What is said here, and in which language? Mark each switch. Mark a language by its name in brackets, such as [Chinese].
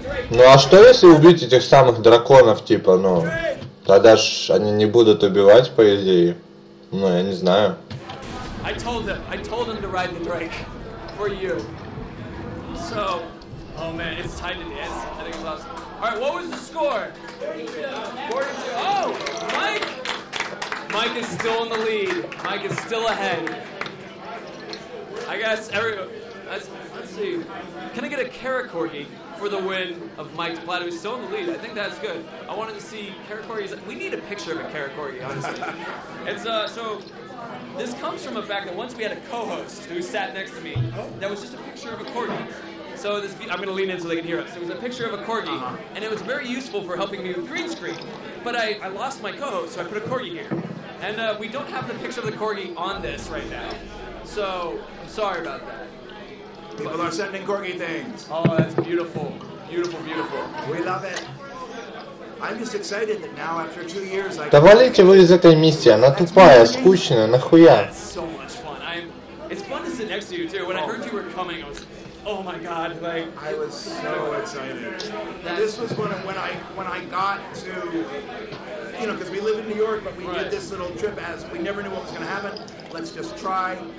[Russian] Ну а что если убить этих самых драконов, типа, ну, тогда ж они не будут убивать, по идее, ну, я не знаю. [English] I told them to ride the Drake for you. So, oh man, it's time to dance. I think it's awesome. Alright, what was the score? 42. Oh, Mike is still in the lead. Mike is still ahead. I guess let's see. Can I get a Kara Corgi for the win of Mike DePlatte, who's still in the lead? I think that's good. I wanted to see Kara Corgi. We need a picture of a Kara Corgi, honestly. So this comes from a fact that once we had a co-host who sat next to me, that was just a picture of a Corgi. So this, I'm gonna lean in so they can hear us. It was a picture of a Corgi, and it was very useful for helping me with green screen. But I lost my co-host, so I put a Corgi here. And we don't have the picture of the Corgi on this right now. So I'm sorry about that. People are sending corgi things. Oh, that's beautiful. Beautiful, beautiful. We love it. I'm just excited that now after 2 years I can... [Russian] Да валите вы из этой миссии, она тупая, скучная, нахуя? [English] That's so much fun. It's fun to sit next to you too. When I heard you were coming, I was oh my God, like I was so excited. This was when I got to, you know, because we live in New York, but we did this little trip as we never knew what was going to happen. Let's just try.